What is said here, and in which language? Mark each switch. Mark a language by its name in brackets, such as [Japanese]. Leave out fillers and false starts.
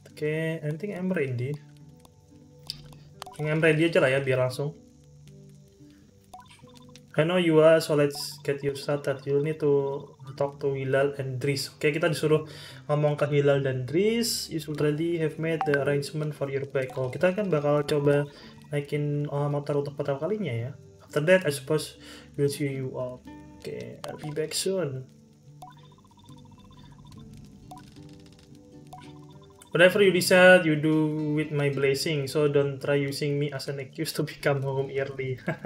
[English] Okay, I think I'm ready. I think I'm ready [Indonesian] aja lah ya, biar langsung. [English] I know you are, so let's get you started. You need to talk to Hilal and Driss. Okay, [Indonesian] kita disuruh ngomong ke Hilal dan Driss. [English] You should already have made the arrangement for your bike. [Indonesian] Oh, kita kan bakal coba naikin motor untuk pertama kalinya ya. [English] After that, I suppose we'll see you all. Okay, I'll be back soon. Whatever you decide, you do with my blessing. So don't try using me as an excuse to become home early.